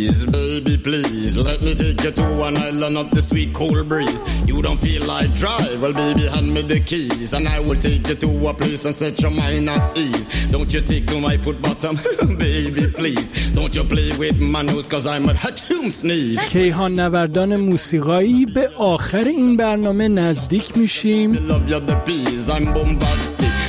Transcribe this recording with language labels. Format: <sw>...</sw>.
<en>Baby, please, let me take you to an island of the sweet cold breeze. You don't feel like drive, well, baby, hand me the keys. And I will take you to a place and set your mind at ease. Don't you tickle my foot bottom, baby, please. Don't you play with my nose, cause I'm a hatchum sneeze.</en> <fa>کیهان نوردان موسیقایی، به آخر این برنامه نزدیک میشیم.</fa> <en>Love you the bees, I'm bombastic.</en>